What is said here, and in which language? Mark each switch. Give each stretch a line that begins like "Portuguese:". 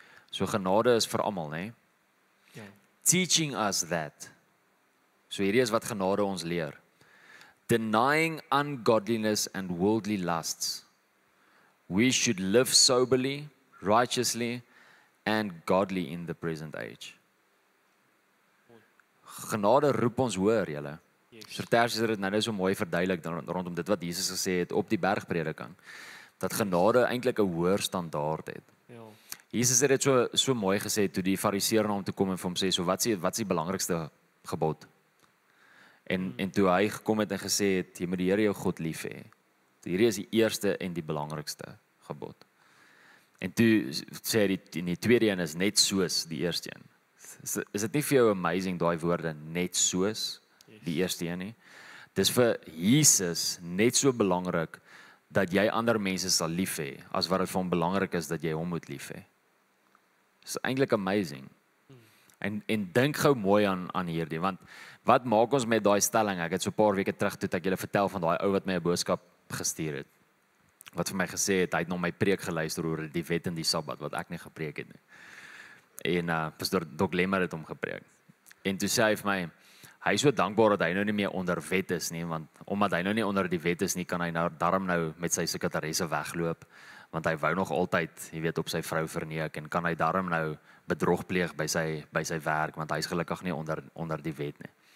Afrikaans: So genade is vir allemaal, nee?
English: Teaching us that.
Afrikaans: So hierdie is wat genade ons leer.
English: Denying ungodliness and worldly lusts, we should live soberly, righteously, and godly in the present age.
Afrikaans: Genade roep ons hoor, julle. Yes. So Tertius het dit nou so mooi verduidelik rondom dit wat Jesus gesê het op die bergprediking, dat genade eintlik 'n hoër standaard het. Ja. Jesus het dit so mooi gesê toe die fariseer na hom toe kom en vir hom sê, so wat is die belangrikste gebod? En toe hy gekom het en gesê het, jy moet die Here jou God lief hê. Hierdie is die eerste en die belangrikste gebod. En toe sê die tweede een is net soos die eerste een. Is dit nie vir jou amazing, die woorde, net soos die eerste een nie? Dis vir Jesus net so belangrik, dat jy ander mense sal lief hê, as wat het vir hom belangrik is, dat jy hom moet lief hê. Is eintlik amazing. En dink gou mooi aan hierdie, want wat maak ons met die stelling? Ek het so paar weke terug toe, dat ek julle vertel van die ou wat my 'n boodskap gestuur het. Wat vir my gesê het, hy het nog my preek geluister oor die wet en die Sabbat, wat ek nie gepreek het nie. En pastoor Doc Lemmer het hom gepreek. En toe sê hy vir my, hy is so dankbaar dat hy nou nie meer onder wet is nie, want omdat hy nou nie onder die wet is nie, kan hy nou daarom nou met sy sekretaresse wegloop, want hy wou nog altyd, jy weet, op sy vrou verneek, en kan hy daarom nou bedrog pleeg by sy werk, want hy is gelukkig nie onder die wet nie.